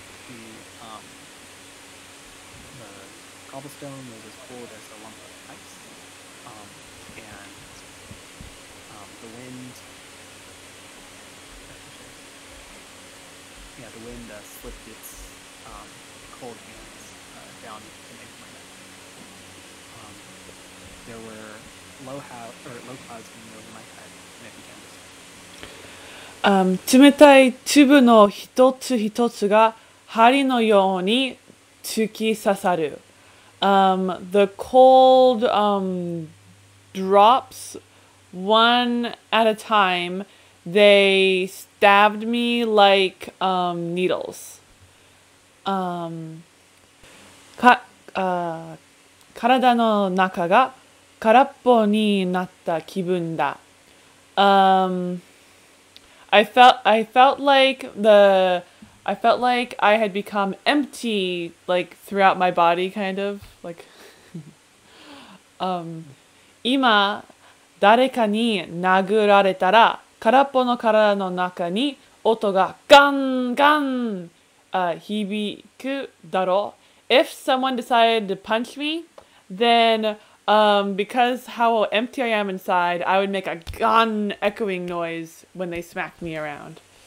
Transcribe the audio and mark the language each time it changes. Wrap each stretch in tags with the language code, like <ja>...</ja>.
<en>The cobblestone is as cold as a lump of ice, and the wind slipped its cold hands down to make my neck. There were low clouds coming over my head, and it began to snow.</en> <ja>冷たい粒の一つ一つが針のように突き刺さる。</ja> <en>The cold drops, one at a time, they stabbed me like needles.</en> <ja>体の中が空っぽになった気分だ。</ja> <en>I felt like I had become empty, like throughout my body, kind of like.</en> <ja>今誰かに殴られたら空っぽの体の中に音がガンガン響くだろう。</ja> <en>If someone decided to punch me, then because how empty I am inside, I would make a gun echoing noise when they smack me around.</en>